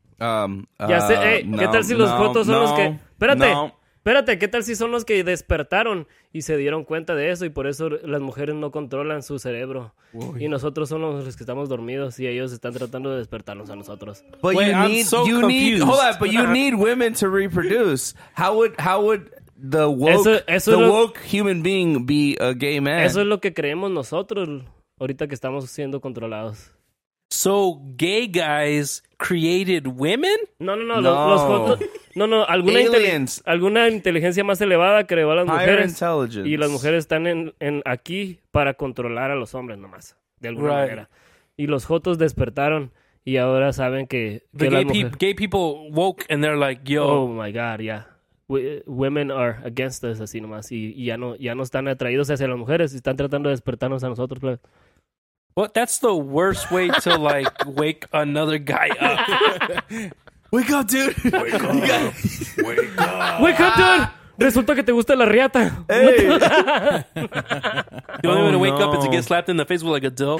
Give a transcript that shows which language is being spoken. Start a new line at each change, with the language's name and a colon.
Spanish: ¿Qué tal si los jotos son los que... Espérate, ¿qué tal si son los que despertaron y se dieron cuenta de eso y por eso las mujeres no controlan su cerebro? Uy. Y nosotros somos los que estamos dormidos y ellos están tratando de despertarnos a nosotros.
English: But you need women to reproduce. How would The woke human being be a gay man.
Spanish: Eso es lo que creemos nosotros ahorita que estamos siendo controlados.
English: So gay guys created women?
Spanish: No. Los fotos, no. Alguna aliens. Alguna inteligencia más elevada creó a las mujeres.
English: Higher intelligence.
Spanish: Y las mujeres están en aquí para controlar a los hombres nomás. De alguna manera. Y los jotos despertaron. Y ahora saben que
English: the gay, gay people woke and they're like, yo. Oh my God, yeah. Women are against us,
Spanish: así nomás, y ya no están atraídos hacia las mujeres, y están tratando de despertarnos a nosotros.
English: Well, that's the worst way to, like, wake another guy up. Wake up, dude. Wake up, dude.
Spanish: Resulta que te gusta la riata.
English: Hey. The only way to wake up is to get slapped in the face with, like, a dill.